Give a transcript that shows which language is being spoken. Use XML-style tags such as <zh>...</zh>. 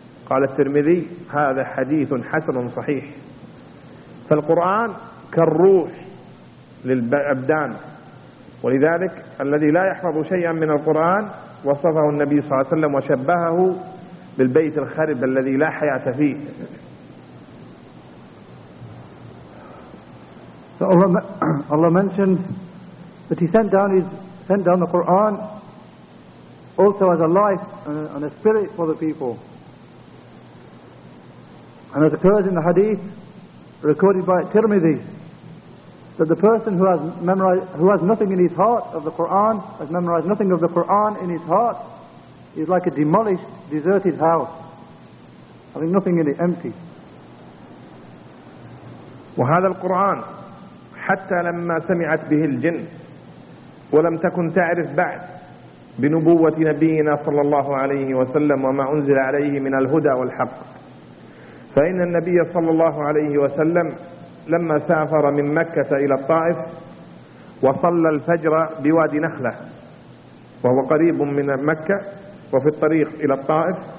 <ar>قال الترمذي: هذا حديث حسن صحيح. فالقرآن كالروح للأبدان، ولذلك الذي لا يحفظ شيئا من القرآن وصفه النبي صلى الله عليه وسلم وشبهه بالبيت الخرب الذي لا حياة فيه.</ar> <en>So Allah mentioned that He sent down the Quran also as a life and a spirit for the people. And as occurs in the hadith recorded by Tirmidhi, that the person who has nothing in his heart of the Quran, has memorized nothing of the Quran in his heart, is like a demolished, deserted house, having nothing in it, empty.</en> <ar>وهذا القرآن حتى لما سمعت به الجن ولم تكن تعرف بعد بنبوة نبينا صلى الله عليه وسلم وما أنزل عليه من الهدى والحق، فإن النبي صلى الله عليه وسلم لما سافر من مكة إلى الطائف وصلى الفجر بوادي نخلة وهو قريب من مكة وفي الطريق إلى الطائف،</ar>